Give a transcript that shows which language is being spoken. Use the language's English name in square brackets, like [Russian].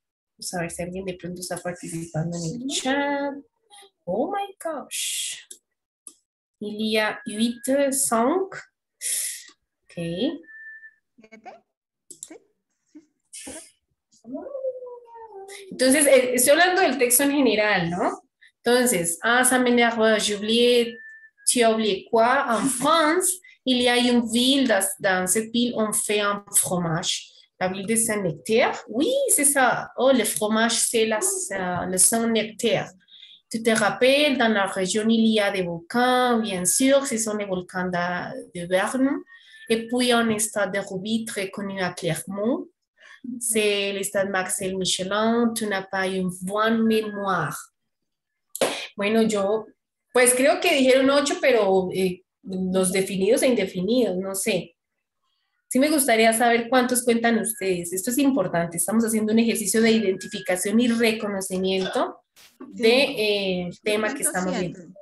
[Spanish] Vamos a ver si alguien de pronto está participando en el chat. [English] Oh my gosh. [French] Il y a 8, 5. Ok. [Spanish] Entonces, estoy hablando del texto en general, ¿no? Entonces, [French] ah, ça m'énerve, j'ai oublié, tu as oublié quoi? En France, il y a une ville, dans cette ville, on fait un fromage. La ville de Saint-Nectaire. Oui, c'est ça. Oh, le fromage, c'est la, le Saint-Nectaire. Tu te rappelles, dans la région, il y a des volcans, bien sûr, ce sont les volcans de Verne. Et puis, un stade de rugby très connu à Clermont. C'est le stade Marcel Michelin. Tu n'as pas une bonne mémoire. [Spanish] Bueno, yo, pues creo que dijeron 8, pero los definidos e indefinidos, no sé. Sí me gustaría saber cuántos cuentan ustedes. Esto es importante. Estamos haciendo un ejercicio de identificación y reconocimiento del tema que estamos viendo.